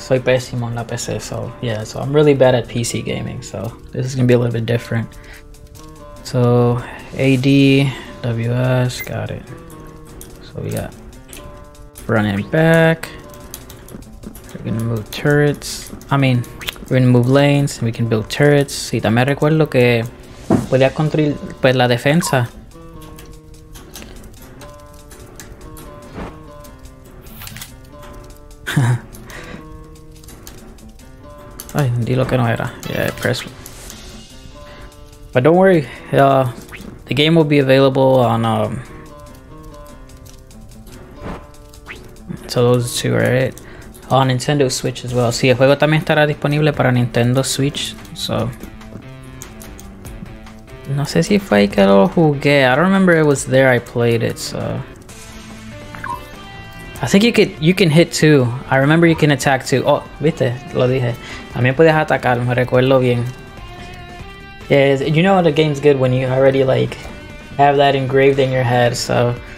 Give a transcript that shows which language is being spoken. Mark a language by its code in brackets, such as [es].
[es] Soy pésimo en la PC, [en] so yeah, so I'm really bad at PC gaming, so this is gonna be a little bit different. So AD WS, got it. So we got running back. We're gonna move turrets. I mean, we're gonna move lanes and we can build turrets. [es] Sí, también recuerdo que podía construir pues la defensa. Ay, di lo que no era. [en] Yeah, press. But don't worry, the game will be available on so those two are it. On Nintendo Switch as well. [es] Sí, el juego también estará disponible para Nintendo Switch. So no sé si fue ahí que lo jugué. [en] I don't remember it was there I played it, so I think you can hit too. I remember you can attack too. [es] Oh, viste, lo dije. También puedes atacar, me recuerdo bien. [en] Yeah, you know the game's good when you already like have that engraved in your head, so.